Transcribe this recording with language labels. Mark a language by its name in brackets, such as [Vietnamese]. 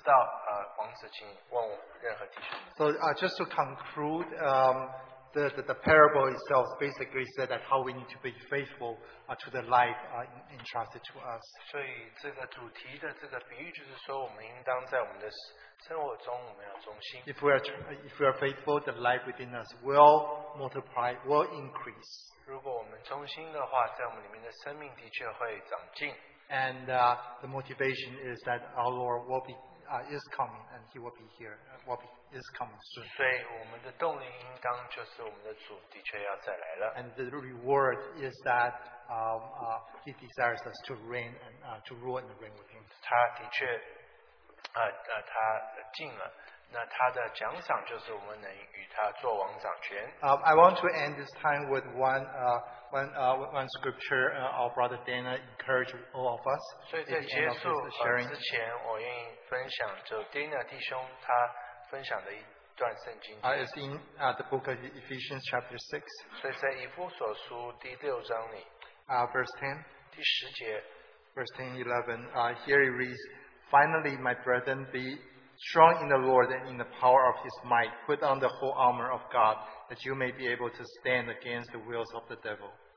[Chinese] 所以你们如果知道的话，信息已经在网络上。你们不知道，王子，请问任何弟兄。 [English] So just to conclude, the parable itself basically said that how we need to be faithful to the life entrusted to us. [Chinese] 所以这个主题的这个比喻就是说，我们应当在我们的生活中，我们要忠心。 [English] If we are faithful, the life within us will multiply, will increase. [Chinese] 如果我们忠心的话，在我们里面的生命的确会长进。 [English] And the motivation is that our Lord will be is coming, and he will be here. Is coming soon. [Chinese] 所以我们的动力应当就是我们的主的确要再来了. [English] And the reward is that he desires us to reign and to rule and reign with him. [Chinese] 他的确，他进了，那他的奖赏就是我们能与他做王掌权. [English] I want to end this time with one scripture our brother Dana encouraged all of us. [Chinese] 所以在结束之前，我愿意分享就Dana弟兄他分享的一段圣经. [English] It's in the book of Ephesians chapter 6. [Chinese] 所以在以弗所书第六章里, [English] verse 10. [Chinese] 第十节, [English] verse 10:11. Here it reads, "Finally, my brethren, be strong in the Lord and in the power of his might. Put on the whole armor of God, that you may be able to stand against the wills of the devil."